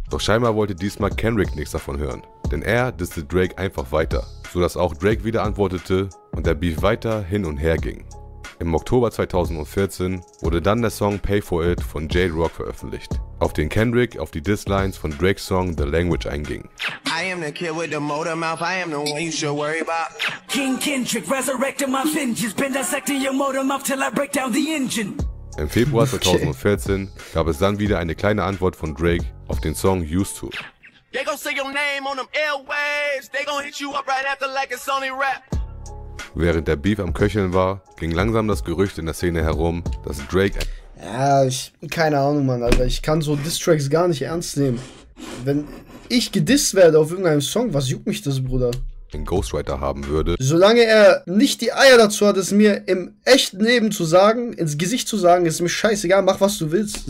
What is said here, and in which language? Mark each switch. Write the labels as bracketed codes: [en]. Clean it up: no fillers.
[de] Doch scheinbar wollte diesmal Kendrick nichts davon hören, denn er disste Drake einfach weiter, sodass auch Drake wieder antwortete und der Beef weiter hin und her ging. Im Oktober 2014 wurde dann der Song Pay For It von J-Rock veröffentlicht, auf den Kendrick auf die Disslines von Drake's Song The Language einging. [en] I am the kid with the motor mouth, I am the one you should worry about. King Kendrick resurrecting my vengeance, been dissecting your motor mouth till I break down the engine. [de] Im Februar 2014 gab es dann wieder eine kleine Antwort von Drake auf den Song Used To. [en] They gon' say your name on them airwaves, they gon' hit you up right after like it's only rap. [de] Während der Beef am Köcheln war, ging langsam das Gerücht in der Szene herum, dass Drake... Ja, ich... Keine Ahnung, Mann, Alter. Ich kann so Diss-Tracks gar nicht ernst nehmen. Wenn ich gedisst werde auf irgendeinem Song, was juckt mich das, Bruder? ...den Ghostwriter haben würde... Solange er nicht die Eier dazu hat, es mir im echten Leben zu sagen, ins Gesicht zu sagen, ist mir scheißegal, mach was du willst.